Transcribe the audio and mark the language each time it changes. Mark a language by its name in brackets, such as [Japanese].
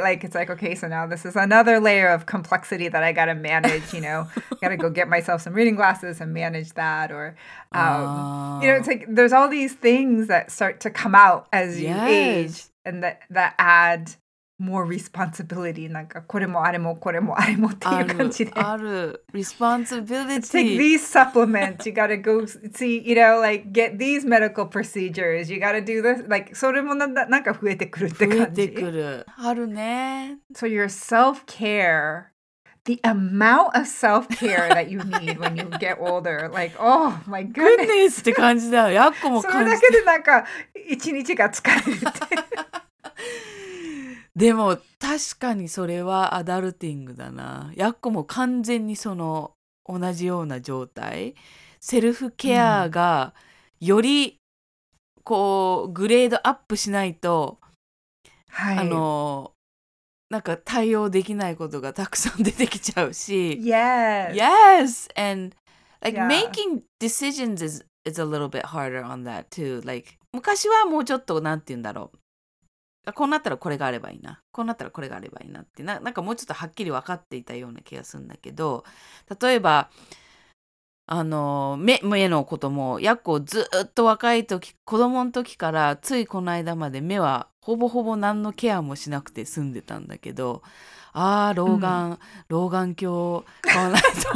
[English] Like, it's like, okay, so now this is another layer of complexity that I got to manage, you know, I got to go get myself some reading glasses and manage that. Or, you know, it's like there's all these things that start to come out as you age and that add more responsibility. [Japanese] Like, これもあれもこれもあれもっていう感じで。ある。Responsibility. [English] Take these supplements. You gotta go see, you know, like, get these medical procedures. You gotta do this. Like, [Japanese] それもなんか増えてくるって感じ。増えてくる。あるね。 [English] So your self-care, the amount of self-care that you need when you get older, like, oh my goodness. [Japanese] Goodness って感じだよ。やっこも感じて。それだけでなんか、一日が疲れるって。でも確かにそれはアダルティングだな。やっこも完全にその同じような状態。セルフケアがよりこうグレードアップしないと、あの、なんか対応できないことがたくさん出てきちゃうし。 [English] Yes! And like making decisions is a little bit harder on that too. [Japanese] Like 昔はもうちょっとなんて言うんだろう。こうなったらこれがあればいいな、こうなったらこれがあればいいなって、なんかもうちょっとはっきり分かっていたような気がするんだけど、例えばあの目のこともやっこずっと若い時、子供の時からついこの間まで目はほぼほぼ何のケアもしなくて済んでたんだけど、ああ老眼、老眼鏡買わないと